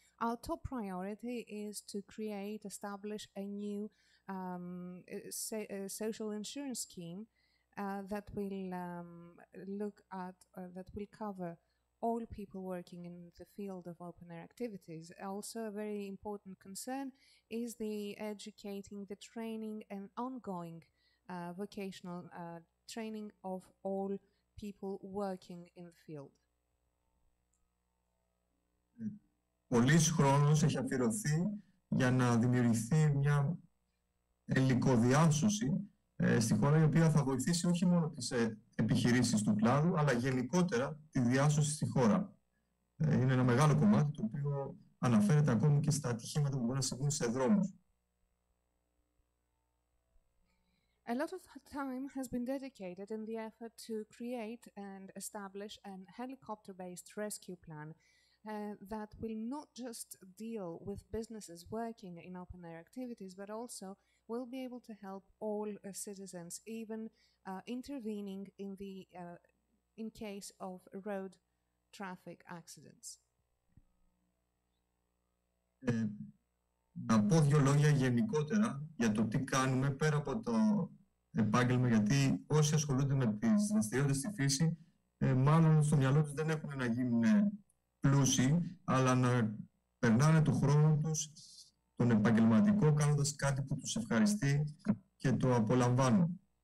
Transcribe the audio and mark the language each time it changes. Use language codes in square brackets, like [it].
[en] Our top priority is to create, establish a new social insurance scheme that will look at, that will cover all people working in the field of open air activities. Also a very important concern is the educating, the training and ongoing vocational training of all people working in the field. [el] Πολύς χρόνος έχει αφιερωθεί για να δημιουργηθεί μια ελικοδιάσωση στη χώρα, η οποία θα βοηθήσει όχι μόνο τις επιχειρήσεις του κλάδου, αλλά γενικότερα τη διάσωση στη χώρα. Είναι ένα μεγάλο κομμάτι το οποίο αναφέρεται ακόμη και στα ατυχήματα που μπορεί να συμβούν σε δρόμους. [en] A lot of time has been dedicated in the effort to create and establish an helicopter-based rescue plan that will not just deal with businesses working in open-air activities, but also will be able to help all citizens, even intervening in the in case of road traffic accidents. [el] Να πω δύο λόγια γενικότερα για το τι κάνουμε πέρα από το επάγγελμα, γιατί όσοι ασχολούνται με τις δραστηριότητες στη φύση, μάλλον στο μυαλό τους δεν έχουν να γίνουν πλούσιοι, αλλά να περνάνε τον χρόνο τους τον επαγγελματικό, κάνοντας κάτι που τους ευχαριστεί και το απολαμβάνουν.